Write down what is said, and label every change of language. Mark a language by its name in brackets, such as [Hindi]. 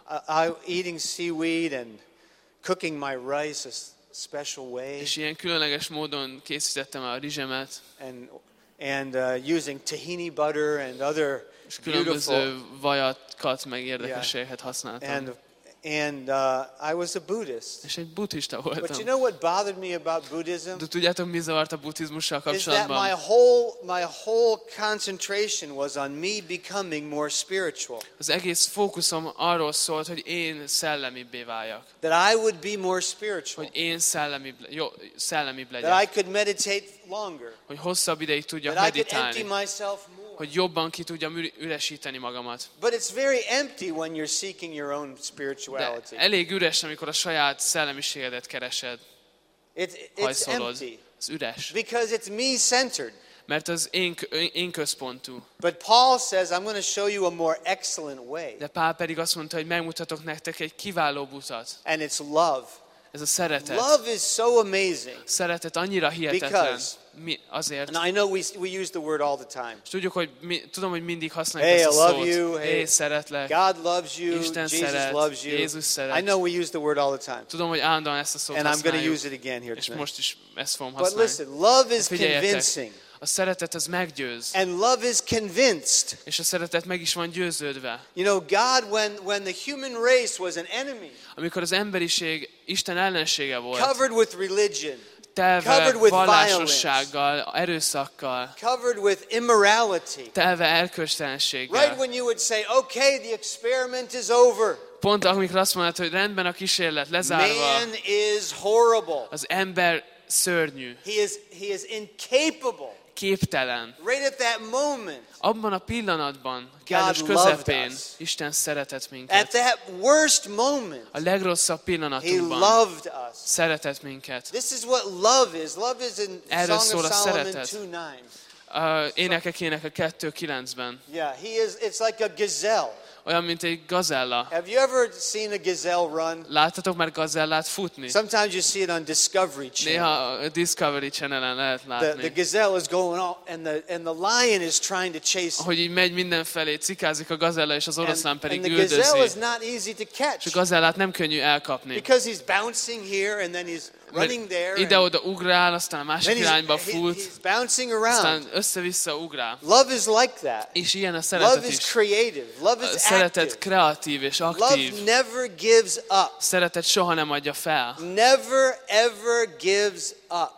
[English] I eating seaweed and cooking my rice a special way. [Hungarian] És ilyen különleges módon készítettem a rizsemet. [English] And using tahini butter and other [Hungarian] különböző vajakat meg érdekességet használtam. [English] And I was a Buddhist. [Hungarian] És egy buddhista voltam. [English] But you know what bothered me about Buddhism? [Hungarian] De tudjátok, mi zavart a buddhizmussal kapcsolatban? [English] Is that my whole concentration was on me becoming more spiritual. [Hungarian] Az egész fókuszom arról szólt, hogy én szellemibbé váljak. [English] That I would be more spiritual. [Hungarian] Hogy én szellemibb legyek. [English] That I could meditate longer. [Hungarian] Hogy hosszabb ideig tudjak [English] that [Hungarian] meditálni. [English] I could empty myself more. [Hungarian] Hogy jobban ki tudjam üresíteni magamat. [English] But it's very empty when you're seeking your own spirituality. [Hungarian] De elég üres, amikor a saját szellemiségedet keresed. [English] It's empty. [Hungarian] Ez üres. [English] Because it's me-centered. [Hungarian] Mert az én központú. [English] But Paul says, I'm going to show you a more excellent way. [Hungarian] De Pál pedig azt mondta, hogy megmutatok nektek egy kiváló utat. [English] And it's love. [Hungarian] Ez a szeretet. [English] Love is so amazing. [Hungarian] Szeretet annyira hihetetlen. [English] Because [Hungarian] mi azért. [English] And I know we use the word all the time. [Hungarian] Tudjuk, hogy tudom, hogy mindig használjuk ezt a szót. [English] Hey, I love you. [Hungarian] Hey, szeretlek. [English] God loves you. [Hungarian] Isten [English] Jesus [Hungarian] szeret. [English] Loves you. [Hungarian] Jézus szeret. [English] I know we use the word all the time. [Hungarian] Tudom, hogy állandóan ezt a szót [English] and [Hungarian] használjuk. [English] And I'm going to use it again here tonight. [Hungarian] És most is ezt fogom használni. [English] But listen, love is convincing. [Hungarian] A szeretet az meggyőz. [English] And love is convinced. [Hungarian] És a szeretet meg is van győződve. [English] You know, God, when the human race was an enemy. [Hungarian] Amikor az emberiség Isten ellensége volt. [English] Covered with religion. [Hungarian] Telve vallásossággal, erőszakkal. [English] Covered with immorality. [Hungarian] Telve erkölcstelenséggel. [English] Right when you would say, okay, the experiment is over. [Hungarian] Pont amikor azt mondtad, hogy rendben a kísérlet lezárva. [English] Man is horrible. [Hungarian] Az ember szörnyű. [English] He is incapable. [Hungarian] Képtelen. [English] Right at that moment. [Hungarian] Abban a pillanatban, kellős közepén, Isten szeretett minket. [English] At that worst moment. [Hungarian] A legrosszabb pillanatunkban. [English] He loved us. [Hungarian] Szeretett minket. [English] This is what love is. Love is in Song of Solomon 2:9. [Hungarian] Énekek a 2:9-ben. [English] Yeah, it's like a gazelle. [Hungarian] Olyan, mint egy gazella. [English] Have you ever seen a gazelle run? [Hungarian] Láttatok már gazellát futni? [English] Sometimes you see it on Discovery Channel. [Hungarian] Néha a Discovery Channel-en lehet látni. [English] The gazelle is going off and the lion is trying to chase. [Hungarian] Hogy így megy mindenfelé, cikázik a gazella és az oroszlán pedig üldözi. [English] And the gazelle is not easy to catch. [Hungarian] A gazellát nem könnyű elkapni. [English] Because he's bouncing here and then he's running there. [Hungarian] Ide-oda ugrál, aztán a másik irányba fut. [English] He's bouncing around. [Hungarian] Aztán össze-vissza ugrál. [English] Love is like that. [Hungarian] És ilyen a szeretet is. [English] Love is creative. Love is [Hungarian] szeretet kreatív és aktív. [English] Love never gives up. [Hungarian] Szeretet soha nem adja fel. [English] Never ever gives up.